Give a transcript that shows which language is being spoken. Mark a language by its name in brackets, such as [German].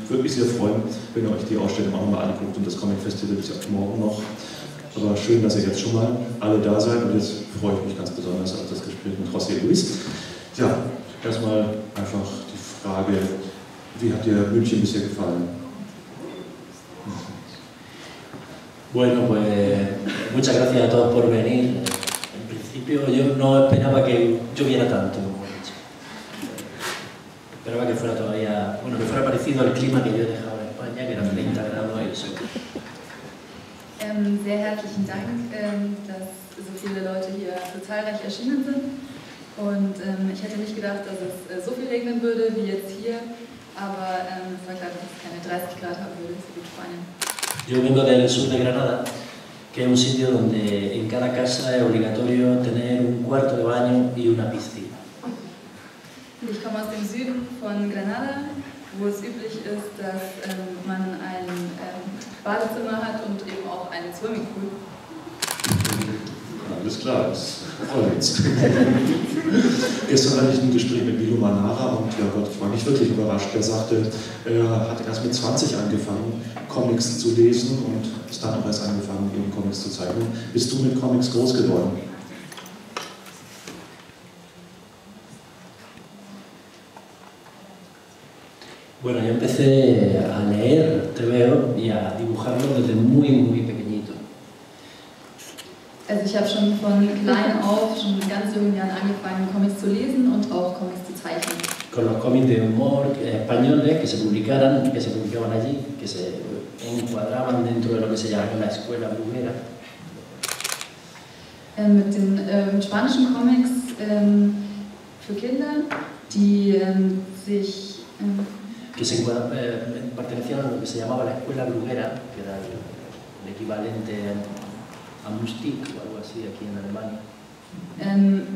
[German] Würde mich sehr freuen, wenn ihr euch die Ausstellung auch nochmal anguckt und das Comic Festival ist ja morgen noch. Aber schön, dass ihr jetzt schon mal alle da seid und jetzt freue ich mich ganz besonders auf das Gespräch mit José Luis. Tja, erstmal einfach die Frage, wie hat dir München bisher gefallen? [Spanish] Bueno, pues muchas gracias a todos por venir. Yo no esperaba que lloviera tanto. Esperaba que fuera todavía, bueno, que fuera parecido al clima que yo he dejado en España, que era 30 grados y eso. [German] Sehr herzlichen Dank, dass so viele Leute hier so zahlreich erschienen sind. Und ich hätte nicht gedacht, dass es so viel regnen würde wie jetzt hier. Aber es war klar, dass es keine 30 Grad haben würde, so gut Spanien. [Spanish] Yo vengo del sur de Granada, que es un sitio donde en cada casa es obligatorio tener un cuarto de baño y una piscina. [German] Ich komme aus dem Süden von Granada, wo es üblich ist, dass man ein Badezimmer hat und eben auch einen Swimmingpool. Alles klar, das freut uns. Gestern hatte ich ein Gespräch mit Milo Manara und ja Gott, ich war nicht wirklich überrascht. Er sagte, er hat erst mit 20 angefangen, Comics zu lesen und ist dann auch erst angefangen, eben Comics zu zeichnen. Bist du mit Comics groß geworden? [Spanish] Bueno, yo empecé a leer, te veo, y a dibujarlo desde muy, muy pequeño. [German] Also ich habe schon von klein auf, schon mit ganz jungen Jahren angefangen, Comics zu lesen und auch Comics zu zeichnen. [Spanish] Con los cómics de humor españoles que se publicaran, que se publicaban allí, que se encuadraban dentro de lo que se llama la escuela brujera. [German] Mit den spanischen Comics für Kinder, die sich... [Spanish] Que se pertenecían a lo que se llamaba la escuela brujera, que era el equivalente... [German] Mystik oder so etwas hier in Alemania.